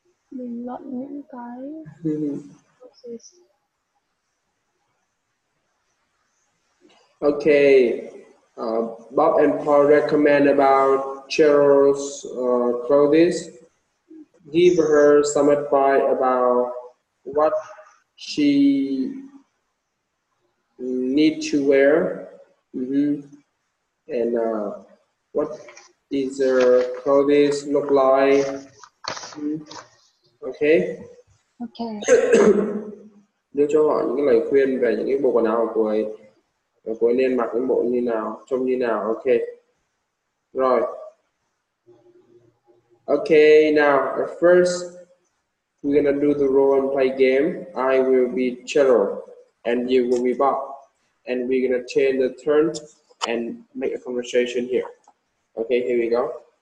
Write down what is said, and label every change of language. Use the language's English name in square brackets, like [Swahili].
[Vietnamese] Bình luận những cái clothes. [English] Okay, Bob and Paul recommend about Cheryl's clothes. Give her some advice about what she need to wear. Mm-hmm. And what is her clothes look like? Mm-hmm. Okay. Okay. [Vietnamese] Đưa cho họ những lời khuyên về những bộ quần áo của ấy. Cô nên mặc những bộ như nào, trông như nào. Ok. Rồi. [English] Ok, now, at first, we're gonna do the role and play game. I will be Cheryl, and you will be Bob. And we're gonna change the turn and make a conversation here. Ok, here we go.